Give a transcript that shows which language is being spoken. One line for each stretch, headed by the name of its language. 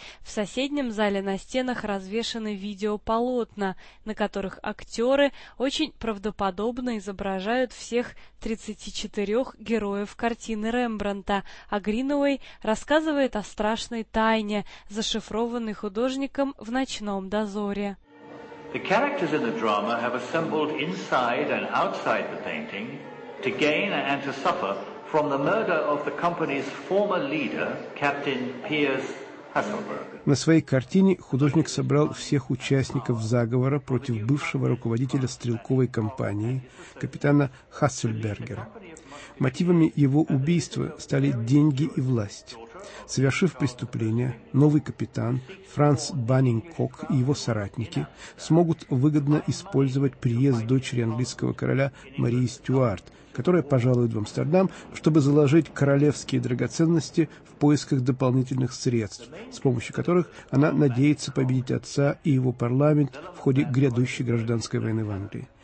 Russian: В соседнем зале на стенах развешаны видеополотна, на которых актеры очень правдоподобно изображают всех 34 героев картины Рембрандта, а Гринуэй рассказывает о страшной тайне, зашифрованной художником в «Ночном дозоре».
English: The characters in the drama have assembled inside and outside the painting to gain and to suffer from the murder of the company's former leader, Captain Piers Hasselberg.
Russian: На своей картине художник собрал всех участников заговора против бывшего руководителя стрелковой компании, капитана Хассельбергера. Мотивами его убийства стали деньги и власть. Совершив преступление, новый капитан Франц Баннинг-Кок и его соратники смогут выгодно использовать приезд дочери английского короля Марии Стюарт, которая пожалует в Амстердам, чтобы заложить королевские драгоценности в поисках дополнительных средств, с помощью которых она надеется победить отца и его парламент в ходе грядущей гражданской войны в Англии.